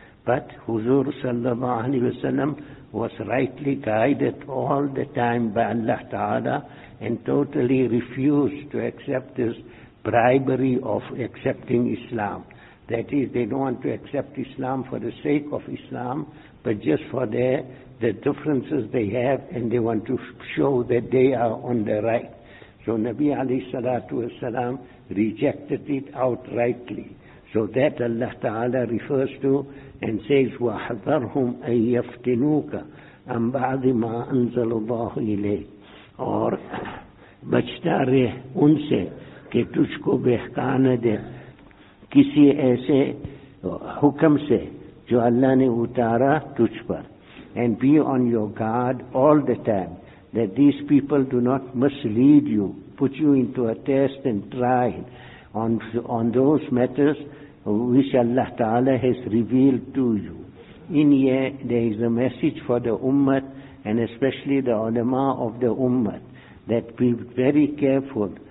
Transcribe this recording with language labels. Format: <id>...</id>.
<en>But Huzur sallallahu alayhi wasalam was rightly guided all the time by Allah Ta'ala and totally refused to accept this bribery of accepting Islam. That is, they don't want to accept Islam for the sake of Islam, but just for the differences they have, and they want to show that they are on the right. So Nabi alayhi salatu wasalam rejected it outrightly. So that Allah Ta'ala refers to and says,</en> <ar>وَحَذَرْهُمْ أَن يَفْتِنُوكَ أَمْ بَعْضِ مَا أَنزَلُ اللَّهُ إِلَيْهِ,</ar> <ur>اور بچتا رہے ان سے کہ تجھ کو بہکانا دے کسی ایسے حکم سے جو اللہ نے اتارا تجھ پر.</ur> <en>And be on your guard all the time that these people do not mislead you, put you into a test and trial on those matters which Allah Ta'ala has revealed to you. In here there is a message for the ummah and especially the ulama of the ummah that be very careful.</en>